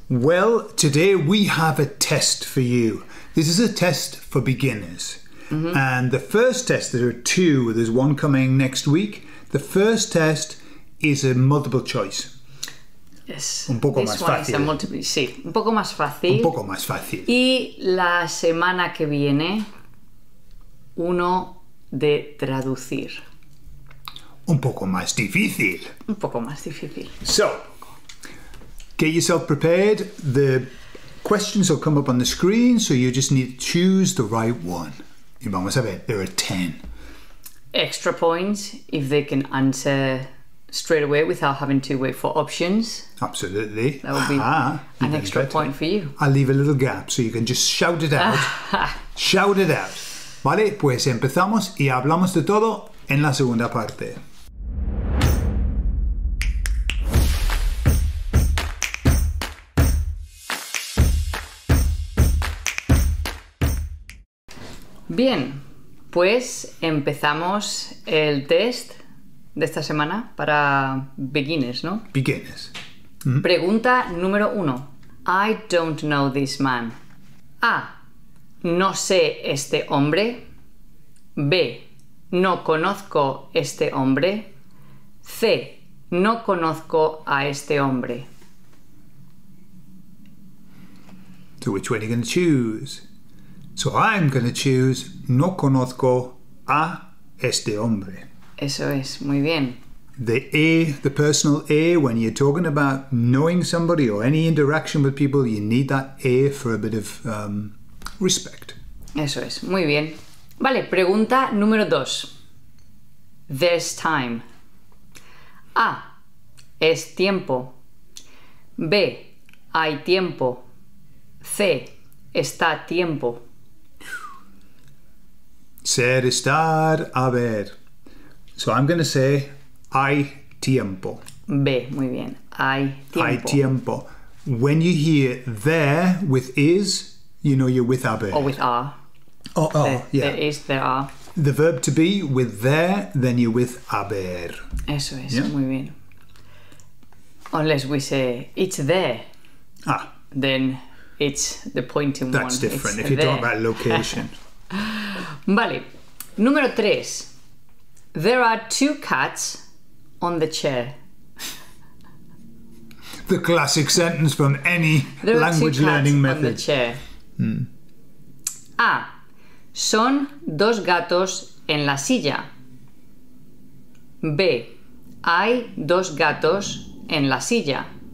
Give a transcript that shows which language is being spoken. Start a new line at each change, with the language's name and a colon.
English: Well, today we have a test for you. This is a test for beginners. Mm-hmm. And the first test, there are two, there's one coming next week. The first test is a multiple choice. Yes.
Spanish: Un poco más fácil. Sí, un poco más fácil. Un poco más fácil. Y la semana que viene, uno de traducir. Un poco más difícil. Un poco más difícil.
English: So, get yourself prepared. The questions will come up on the screen, so you just need to choose the right one.
Spanish: Y vamos a ver,
English: there are 10. Extra points if they can answer straight away without having to wait for options. Absolutely. That would be an extra point for you. I'll leave a little gap so you can just shout it out. Shout it out.
Spanish: Vale, pues empezamos y hablamos de todo en la segunda parte. Bien, pues empezamos el test de esta semana para beginners, ¿no?
English: Beginners. Mm-hmm.
Spanish: Pregunta número uno.
English: I don't know this man. A.
Spanish: No sé este hombre. B. No conozco este hombre. C. No conozco a este hombre.
English: So which one are you going to choose? So I'm going to choose
Spanish: no conozco a este hombre. Eso es, muy bien.
English: The A, the personal A, when you're talking about knowing somebody or any interaction with people, you need that A for a bit of respect.
Spanish: Eso es, muy bien. Vale, pregunta número dos.
English: There's time.
Spanish: A. Es tiempo. B. Hay tiempo. C. Está tiempo.
English: Ser, estar, haber. So I'm going to say,
Spanish: hay tiempo. B, muy bien. Hay tiempo. Hay tiempo.
English: When you hear there with is, you know you're with haber. Or with are. Oh, there, yeah. There is, there are. The verb to be with there, then you're with haber.
Spanish: Eso es,
English: yeah?
Spanish: Muy bien.
English: Unless we say, it's there. Ah. Then it's the pointing. That's one. That's different it's if you're talking about location.
Spanish: Vale, número 3.
English: There are two cats on the chair. The classic sentence from any there language are two cats learning method. On the chair. A.
Spanish: Son dos gatos en la silla. B. Hay dos gatos en la silla.